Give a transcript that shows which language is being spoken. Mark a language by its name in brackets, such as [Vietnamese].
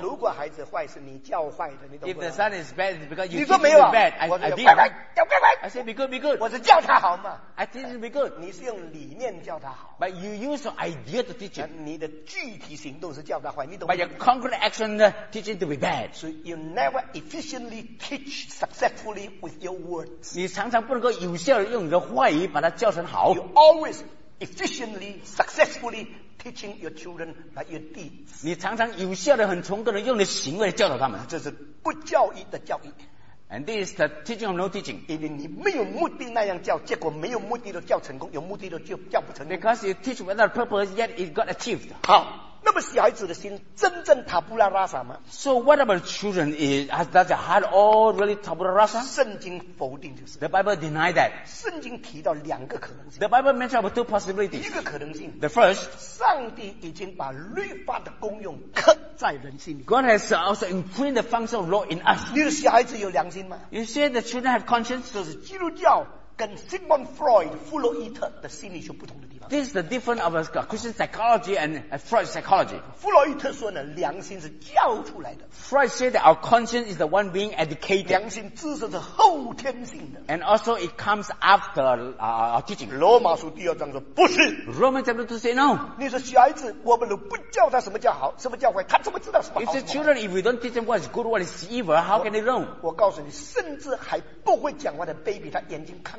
[Chinese] 如果孩子坏，是你教坏的，你懂吗？ [English] If the son is bad, it's because you teach him bad. [Chinese] 你说没有啊？ [English] I did. I said, be good. [Chinese] 我是教他好嘛？ [English] I teach him be good. [Chinese] 你是用理念教他好。 [English] But you use an idea to teach him. [Chinese] 你的具体行动是教他坏，你懂吗？ [English] But your concrete action teach him to be bad. So you never efficiently teach successfully with your words. [Chinese] 你常常不能够有效地用你的话语把他教成好。 [English] You always efficiently, successfully teaching your children by your deeds. [Chinese] 你常常有效的、很成功的用你的行为来教导他们。这是不教育的教育。 [English] And this is the teaching of no teaching. [Chinese] 因为你没有目的那样教，结果没有目的的教成功，有目的的就教不成功。 [English] Because you teach without purpose, yet it got achieved. [Chinese] 好，那么小孩子的心真正塔布拉拉萨吗 [English] ？So what about children? Has that heart all really tabula rasa? [Chinese] 圣经否定就是。 [English] The Bible deny that. [Chinese] 圣经提到两个可能性。 [English] The Bible mentions about two possibilities. [Chinese] 一个可能性。 [English] The first. [Chinese] 上帝已经把律法的功用刻在人心里。 [English] God has also imprinted the function of law in us. [Chinese] 你的小孩子有良心吗 [English] ？You say the children have conscience? [Chinese] 就是基督教跟 Sigmund Freud 弗洛伊特的心理学不同的地方。 [English] This is the difference of Christian psychology and Freud's psychology. [Chinese] 弗洛伊特说呢，良心是教出来的。 [English] Freud said that our conscience is the one being educated. [Chinese] 良心知识是后天性的。 [English] And also it comes after our teaching. [Chinese] 罗马书第二章说不是。 [English] Romans chapter 2 say no. [Chinese] 你说小孩子，我们不教他什么叫好，什么叫坏，他怎么知道什么好？ [English] If the children, if we don't teach them what is good, what is evil, how can they know? [Chinese] 我告诉你，甚至还不会讲话的 baby， 他眼睛看。